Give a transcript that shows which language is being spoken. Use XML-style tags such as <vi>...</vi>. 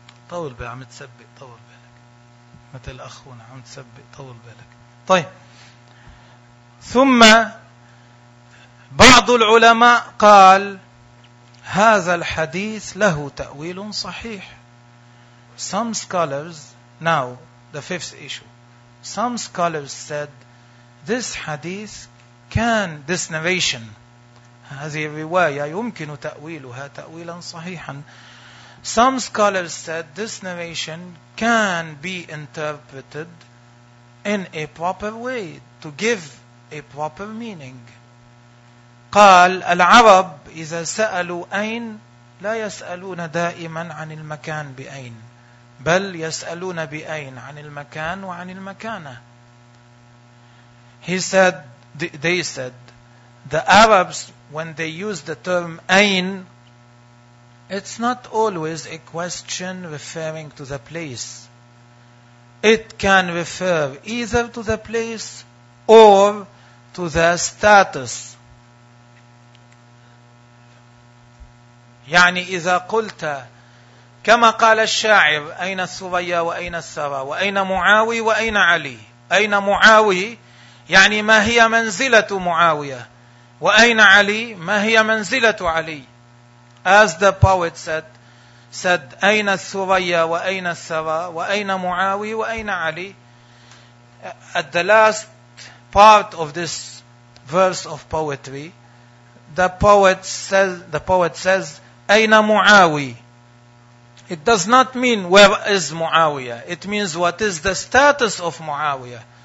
<ar>طول بالك عم تسبق، طول بالك مثل أخونا عم تسبق، طول بالك. طيب، ثم بعض العلماء قال هذا الحديث له تأويل صحيح.</ar> <en>Some scholars now the fifth issue. Some scholars said this hadith can this narration</en> <ar>هذه الرواية يمكن تأويلها تأويلا صحيحا.</ar> <en>Some scholars said this narration can be interpreted in a proper way to give a proper meaning.</en> <ar>قال العرب إذا سألوا أين لا يسألون دائما عن المكان بأين، بل يسألون بأين عن المكان وعن المكانة.</ar> <en>They said the Arabs when they use the term أين, it's not always a question referring to the place. It can refer either to the place or to the status.</en> <ar>يعني إذا قلت كما قال الشاعر أين الثريا وأين الثرى وأين معاوي وأين علي، أين معاوي يعني ما هي منزلة معاوية، وأين علي ما هي منزلة علي.</ar> <en>As the poet said,</en> <ar>أين الثريا وأين الثرى وأين معاوي وأين علي.</ar> <en>At the last part of this verse of poetry, the poet says,</en> <ar>أين معاوي.</ar> <en>It does not mean where is معاوية. It means what is the status of معاوية.</en>